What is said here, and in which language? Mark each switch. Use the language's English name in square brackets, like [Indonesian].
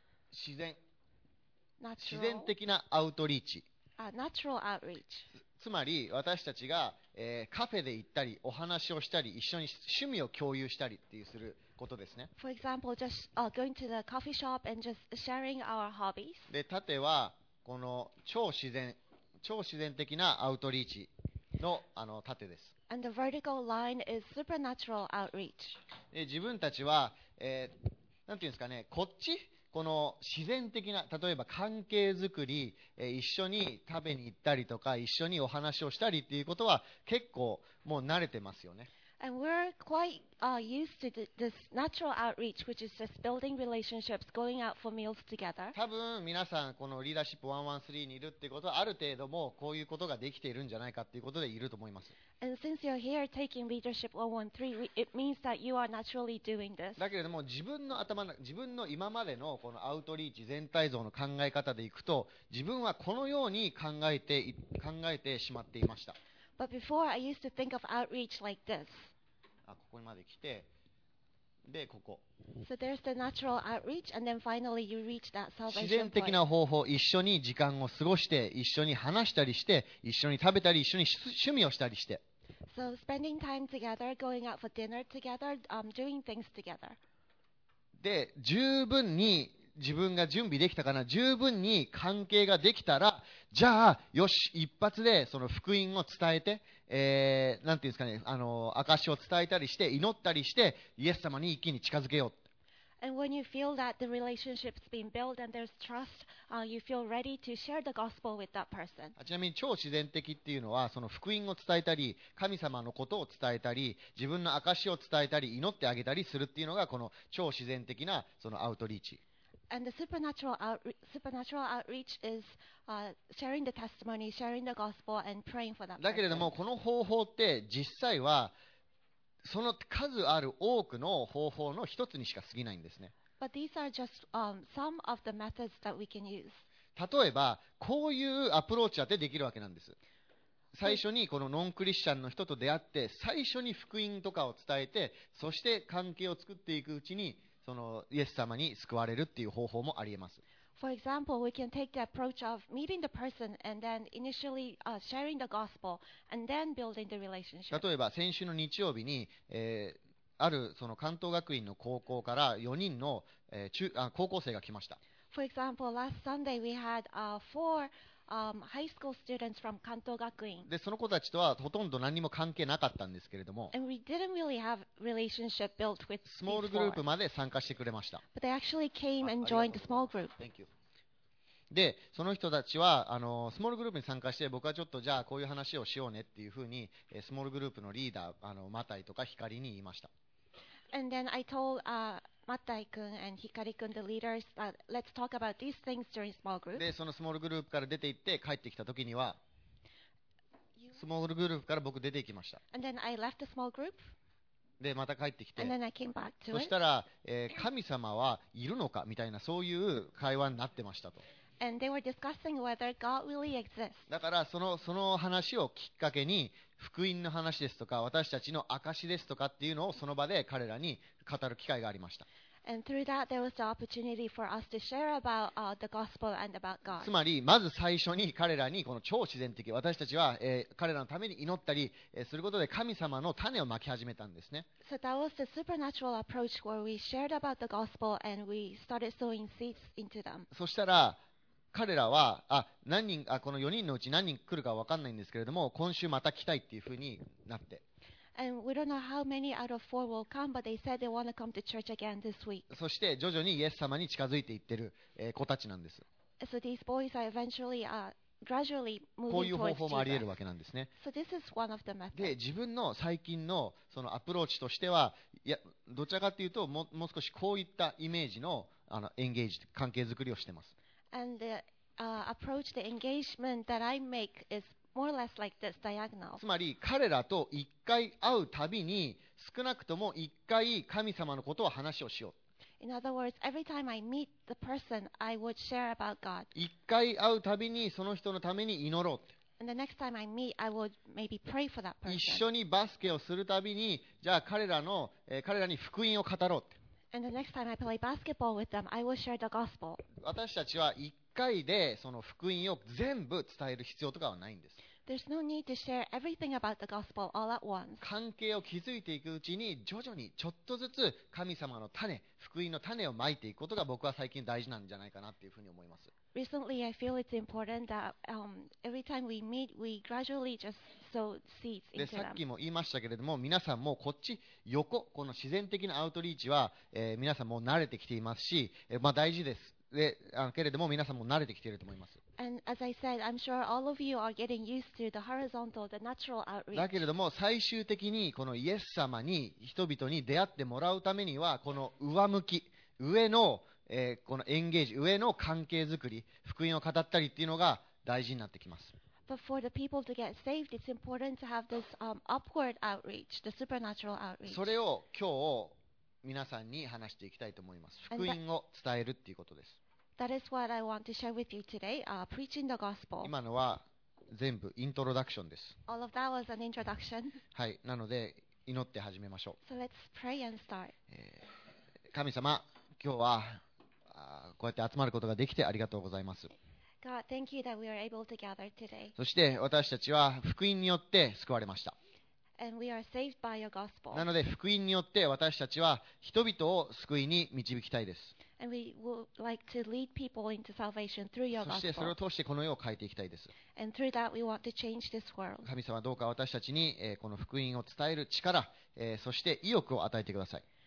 [Japanese] 自然的なアウトリーチ。 [English] Natural outreach. [Japanese] つまり私たちが、カフェで行ったりお話をしたり一緒に趣味を共有したりっていうすることですね。 [English] For example, just going to the coffee shop and just sharing our hobbies. [Japanese] で、縦はこの超自然的なアウトリーチ。あの盾です。 [English] And the vertical line is supernatural outreach. [Japanese] 自分たちは、なんていうんですかね、こっちこの自然的な例えば関係づくり、一緒に食べに行ったりとか一緒にお話をしたりっていうことは結構もう慣れてますよね。 [English] And we're quite used to this natural outreach, which is just building relationships, going out for meals together. [Japanese] 多分皆さんこのリーダーシップ113にいるっていうことはある程度もうこういうことができているんじゃないかっていうことでいると思います。 [English] And since you're here taking leadership 113, it means that you are naturally doing this. [Japanese] だけれども自分の今までのこのアウトリーチ全体像の考え方でいくと、自分はこのように考えてしまっていました。 [English] But before I used to think of outreach like this. [Japanese] ここまで来て、で、ここ。 [English] So there's the natural outreach, and then finally you reach that salvation point. [Japanese] 自然的な方法、一緒に時間を過ごして、一緒に話したりして、一緒に食べたり、一緒に趣味をしたりして。 [English] So spending time together, going out for dinner together, doing things together. [Japanese] で、十分に自分が準備できたかな、十分に関係ができたら、じゃあ、よし、一発でその福音を伝えて、なんていうんですかね、証を伝えたりして祈ったりしてイエス様に一気に近づけよう。 [English] And when you feel that the relationship's been built and there's trust, you feel ready to share the gospel with that person. [Japanese] ちなみに超自然的っていうのはその福音を伝えたり神様のことを伝えたり自分の証を伝えたり祈ってあげたりするっていうのがこの超自然的なそのアウトリーチ。 [English] And the supernatural outreach is sharing the testimony, sharing the gospel, and praying for that person. [Japanese] だけれどもこの方法って実際はその数ある多くの方法の一つにしか過ぎないんですね。 [English] But these are just some of the methods that we can use. [Japanese] 例えばこういうアプローチだってできるわけなんです。最初にこのノンクリスチャンの人と出会って最初に福音とかを伝えてそして関係を作っていくうちにそのイエス様に救われるっていう方法もありえます。 [English] For example, we can take the approach of meeting the person and then initially sharing the gospel and then building the relationship. [Japanese] 例えば先週の日曜日に、あるその関東学院の高校から4人の、高校生が来ました。 [English] For example, last Sunday we had four high school students from 関東学院。 [Japanese] で、その子たちとはほとんど何も関係なかったんですけれども。 [English] And we didn't really have relationship built with these four. [Japanese] スモールグループまで参加してくれました。 [English] But they actually came and joined the small group. Thank you. [Japanese] で、その人たちはスモールグループに参加して、僕はちょっとじゃあこういう話をしようねっていうふうにスモールグループのリーダーマタイとかヒカリに言いました。 [English] And then I told Mattai君 and Hikari君 the leaders that let's talk about these things during small group. [Japanese] で、そのスモールグループから出て行って帰ってきた時には、スモールグループから僕出て行きました。 [English] And then I left the small group. [Japanese] で、また帰ってきて、 [English] and then I came back to it. [Japanese] そしたら、神様はいるのかみたいなそういう会話になってましたと。 [English] And they were discussing whether God really exists. [Japanese] だからその話をきっかけに福音の話ですとか私たちの証ですとかっていうのをその場で彼らに語る機会がありました。 [English] And through that, there was the opportunity for us to share about the gospel and about God. [Japanese] つまりまず最初に彼らにこの超自然的私たちは、彼らのために祈ったり、することで神様の種をまき始めたんですね。 [English] So that was the supernatural approach where we shared about the gospel and we started sowing seeds into them. [Japanese] そしたら彼らは何人この4人のうち何人来るか分かんないんですけれども今週また来たいっていうふうになって。 [English] And we don't know how many out of four will come, but they said they want to come to church again this week. [Japanese] そして徐々にイエス様に近づいていってる、子たちなんです。 [English] So these boys are eventually, gradually moving towards [Japanese] Jesus. こういう方法もあり得るわけなんですね。 [English] So this is one of the methods. [Japanese] で、自分の最近のそのアプローチとしては、いや、どちらかというと、もう少しこういったイメージの、あのエンゲージ、関係づくりをしてます。 [English] And the, approach, the engagement that I make is more or less like this diagonal. [Japanese] つまり彼らと一回会うたびに少なくとも一回神様のことを話をしよう。 [English] In other words, every time I meet the person, I would share about God. [Japanese] 一回会うたびにその人のために祈ろうって。 [English] And the next time I meet, I would maybe pray for that person. [Japanese] 一緒にバスケをするたびに、じゃあ彼らに福音を語ろうって。 [English] And the next time I play basketball with them, I will share the gospel. [Japanese] 私たちは一回でその福音を全部伝える必要とかはないんです。 [English] There's no need to share everything about the gospel all at once. [Japanese] 関係を築いていくうちに徐々にちょっとずつ神様の種、福音の種をまいていくことが僕は最近大事なんじゃないかなっていうふうに思います。 [English] Recently, I feel it's important that, every time we meet, we gradually just sow seeds into them. [Japanese] で、さっきも言いましたけれども、皆さんもうこっち横、この自然的なアウトリーチは、皆さんもう慣れてきていますし、まあ大事です。で、けれども皆さんも慣れてきていると思います。 [English] And as I said, I'm sure all of you are getting used to the horizontal, the natural outreach. [Japanese] だけれども最終的にこのイエス様に人々に出会ってもらうためには、この上向き、上のこのエンゲージ、上の関係づくり、福音を語ったりっていうのが大事になってきます。 [English] But for the people to get saved, it's important to have this upward outreach, the supernatural outreach. [Japanese] それを今日皆さんに話していきたいと思います。福音を伝えるっていうことです。 [English] That is what I want to share with you today, preaching the gospel. [Japanese] 今のは全部イントロダクションです。 [English] All of that was an introduction. [Japanese] はい、なので祈って始めましょう。 [English] So let's pray and start. [Japanese] 神様、今日はこうやって集まることができてありがとうございます。 [English] God, thank you that we are able to gather today. [Japanese] そして私たちは福音によって救われました。 [English] And we are saved by your gospel. [Japanese] なので福音によって私たちは人々を救いに導きたいです。 [English] And we would like to lead people into salvation through your gospel. [Japanese] そしてそれを通してこの世を変えていきたいです。 [English] And through that we want to change this world. [Japanese] 神様、どうか私たちにこの福音を伝える力、そして意欲を与えてください。